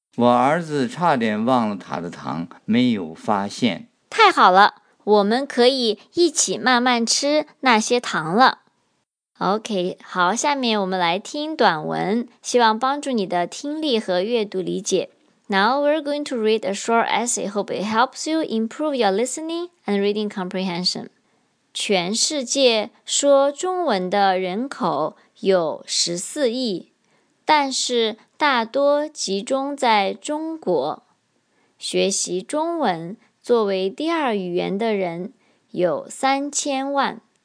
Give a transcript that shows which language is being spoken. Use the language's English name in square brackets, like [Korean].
[Chinese] 我儿子差点忘了他的糖，没有发现。太好了，我们可以一起慢慢吃那些糖了。 OK, 好，下面我们来听短文，希望帮助你的听力和阅读理解。 [English] Now we're going to read a short essay. Hope it helps you improve your listening and reading comprehension. [Chinese] 全世界说中文的人口有14亿，但是大多集中在中国。学习中文作为第二语言的人有3000万。